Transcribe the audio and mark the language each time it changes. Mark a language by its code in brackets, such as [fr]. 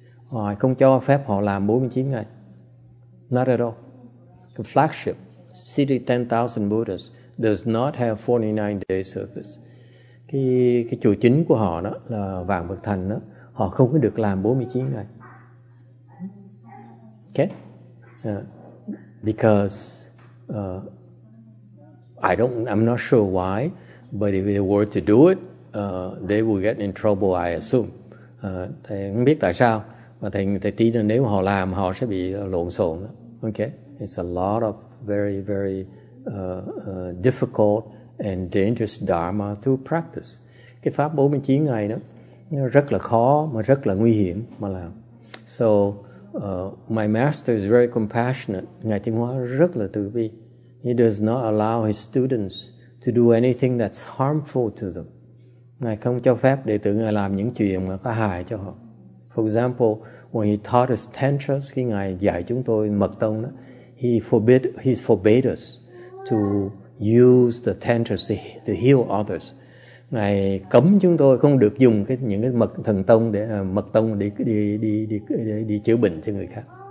[vi] Ngài không cho phép họ làm 49 ngày. [en] Not at all. The flagship, City 10,000 Buddhas, does not have 49-day service. [vi] Cái chùa chính của họ đó, là Vạn Phật Thành đó, họ không có được làm 49 ngày. [en] Okay? I'm not sure why, but if they were to do it, they would get in trouble, I assume. [vi] Thầy không biết tại sao, mà thầy tin là nếu họ làm, họ sẽ bị lộn xộn. [en] Okay? It's a lot of very, very difficult and dangerous dharma to practice. [vi] Cái pháp 49 ngày đó, nó rất là khó, mà rất là nguy hiểm mà làm. [en] So, my master is very compassionate. [vi] Ngài Thiên Hóa rất là từ bi. [en] He does not allow his students to do anything that's harmful to them. [vi] Ngài không cho phép đệ tử Ngài làm những chuyện mà có hại cho họ. [en] For example, when he taught us tantras, [vi] khi Ngài dạy chúng tôi mật tông đó, [en] he forbade us to use the tantras to heal others. [vi] Ngài cấm chúng tôi không được dùng những cái mật thần tông để mật tông để chữa bệnh cho người khác.